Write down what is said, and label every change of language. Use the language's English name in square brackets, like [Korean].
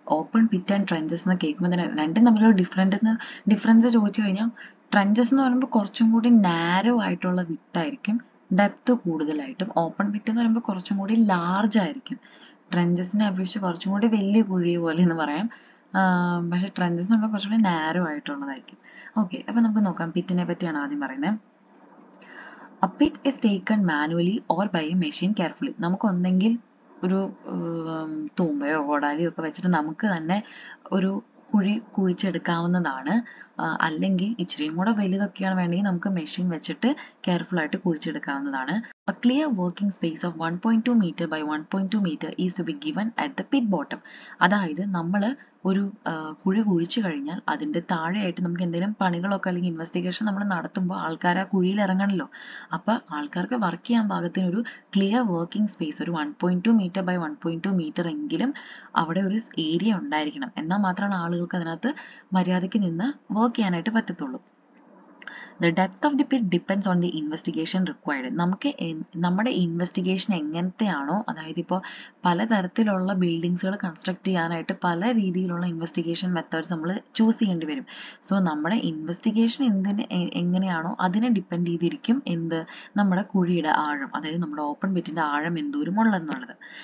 [Malayalam] Open pit and trenches എന്ന് കേൾക്കുമ്പോൾ തന്നെ രണ്ടും തമ്മിലുള്ള ഡിഫറൻസ് ചോദിച്ചു കഴിഞ്ഞാൽ, ട്രെഞ്ചസ് എന്ന് പറയുമ്പോൾ കുറച്ചും കൂടി നാരോ ആയിട്ടുള്ള വിട്ടായിരിക്കും, ഡെപ്ത് കൂടുതലായിട്ടും. ഓപ്പൺ പിറ്റ് എന്ന് പറയുമ്പോൾ കുറച്ചും കൂടി ലാർജ് ആയിരിക്കും. ട്രെഞ്ചസിനെ അപേക്ഷിച്ച് കുറച്ചും കൂടി വലിയ കുഴി പോലെ എന്ന് പറയാം, പക്ഷെ ട്രെഞ്ചസ് നമ്മൾ കുറച്ചും കൂടി നാരോ ആയിട്ടുള്ളതായിരിക്കും. ഓക്കെ, അപ്പൊ നമുക്ക് നോക്കാം പിറ്റിനെ പറ്റിയാണ് ആദ്യം പറയുന്നത്. [English] A pit is taken manually or by a machine carefully. [Malayalam] നമുക്ക് ഒന്നെങ്കിൽ ഒരു തൂമ്പയോ കോടാലിയോ ഒക്കെ വെച്ചിട്ട് നമുക്ക് തന്നെ ഒരു കുഴി കുഴിച്ചെടുക്കാവുന്നതാണ്, അല്ലെങ്കിൽ ഇച്ചിരിയും കൂടെ വലുതൊക്കെയാണ് വേണമെങ്കിൽ നമുക്ക് മെഷീൻ വെച്ചിട്ട് കെയർഫുൾ ആയിട്ട് കുഴിച്ചെടുക്കാവുന്നതാണ്. [English] A clear working space of 1.2 meter by 1.2 meter is to be given at the pit bottom. [Malayalam] അതായത് നമ്മൾ ഒരു കുഴി കുഴിച്ചു കഴിഞ്ഞാൽ അതിൻ്റെ താഴെയായിട്ട് നമുക്ക് എന്തെങ്കിലും പണികളൊക്കെ അല്ലെങ്കിൽ ഇൻവെസ്റ്റിഗേഷൻ നമ്മൾ നടത്തുമ്പോൾ ആൾക്കാർ ആ കുഴിയിൽ ഇറങ്ങണമല്ലോ. അപ്പോൾ ആൾക്കാർക്ക് വർക്ക് ചെയ്യാൻ പാകത്തിന് ഒരു ക്ലിയർ വർക്കിംഗ് സ്പേസ്, ഒരു 1.2 മീറ്റർ ബൈ 1.2 മീറ്റർ എങ്കിലും അവിടെ ഒരു ഏരിയ ഉണ്ടായിരിക്കണം. എന്നാൽ മാത്രമാണ് ആളുകൾക്ക് അതിനകത്ത് മര്യാദയ്ക്ക് നിന്ന് വർക്ക് ചെയ്യാനായിട്ട് പറ്റത്തുള്ളൂ. [English] The depth of the pit depends on the investigation required. [Malayalam] നമുക്ക് നമ്മുടെ ഇൻവെസ്റ്റിഗേഷൻ എങ്ങനത്തെയാണോ, അതായത് ഇപ്പോൾ പലതരത്തിലുള്ള ബിൽഡിങ്സുകൾ കൺസ്ട്രക്ട് ചെയ്യാനായിട്ട് പല രീതിയിലുള്ള ഇൻവെസ്റ്റിഗേഷൻ മെത്തേഡ്സ് നമ്മൾ ചൂസ് ചെയ്യേണ്ടി വരും. സോ നമ്മുടെ ഇൻവെസ്റ്റിഗേഷൻ എന്തിന് എങ്ങനെയാണോ അതിനെ ഡിപ്പെൻഡ് ചെയ്തിരിക്കും എന്ത് നമ്മുടെ കുഴിയുടെ ആഴം, അതായത് നമ്മുടെ ഓപ്പൺ പിറ്റിൻ്റെ ആഴം എന്തോരം ഉള്ളതെന്നുള്ളത്.